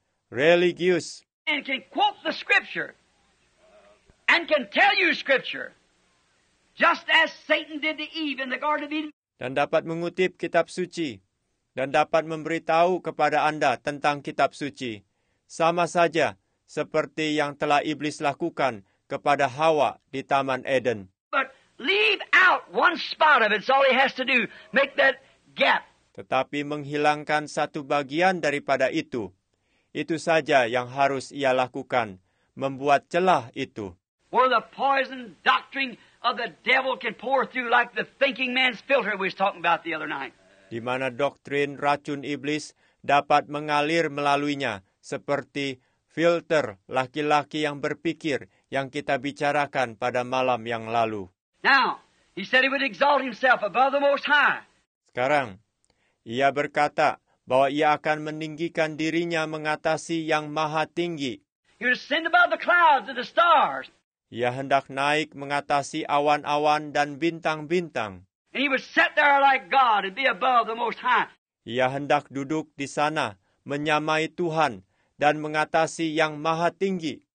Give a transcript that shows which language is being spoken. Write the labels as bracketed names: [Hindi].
[English] Religious. And can quote the scripture and can tell you scripture just as Satan did to Eve in the Garden of Eden. [Indonesian] Dan dapat mengutip kitab suci dan dapat memberitahu kepada Anda tentang kitab suci. Sama saja seperti yang telah iblis lakukan kepada Hawa di Taman Eden. [English] But leave out one spot of it. It's all he has to do. Make that gap. [Indonesian] Tetapi menghilangkan satu bagian daripada itu. Itu saja yang harus ia lakukan, membuat celah itu. [English] Where the poison doctrine of the devil can pour through like the thinking man's filter we was talking about the other night. [Indonesian] Di mana doktrin racun iblis dapat mengalir melaluinya seperti filter laki-laki yang berpikir yang kita bicarakan pada malam yang lalu. [English] Now, he said he would exalt himself above the Most High. [Indonesian] Sekarang, ia berkata bahwa ia akan meninggikan dirinya mengatasi yang maha tinggi. [English] He would ascend above the clouds and the stars. [Indonesian] Ia hendak naik mengatasi awan-awan dan bintang-bintang. [English] And he would sit there like God and be above the Most High. [Indonesian] Ia hendak duduk di sana, menyamai Tuhan, dan mengatasi yang maha tinggi.